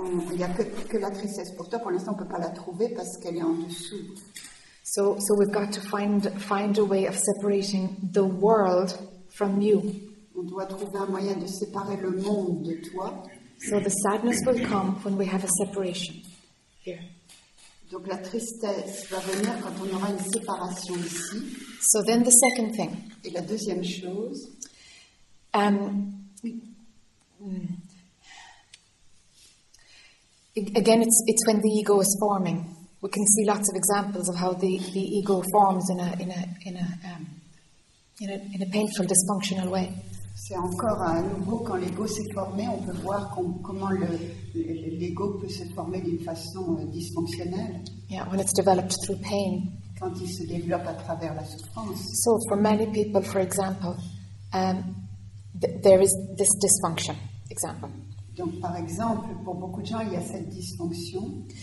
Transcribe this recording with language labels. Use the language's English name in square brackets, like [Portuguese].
[French] Il n'y a que la tristesse pour toi. Pour l'instant, on ne peut pas la trouver parce qu'elle est en dessous. [English] So we've got to find a way of separating the world from you. [French] On doit trouver un moyen de séparer le monde de toi. [English] So the sadness will come when we have a separation here. [French] Donc la tristesse va venir quand on aura une séparation ici. [English] So then the second thing. [French] Et la deuxième chose. [English] Again, it's when the ego is forming. We can see lots of examples of how the ego forms in a painful, dysfunctional way. [French] C'est encore à nouveau quand l'ego s'est formé, on peut voir comment l'ego peut se former d'une façon dysfonctionnelle. [English] Yeah, when it's developed through pain. [French] Quand il se développe à travers la souffrance. [English] So for many people, for example, there is this dysfunction. Example. [French] Donc par exemple, pour beaucoup de gens, il y a cette dysfonction.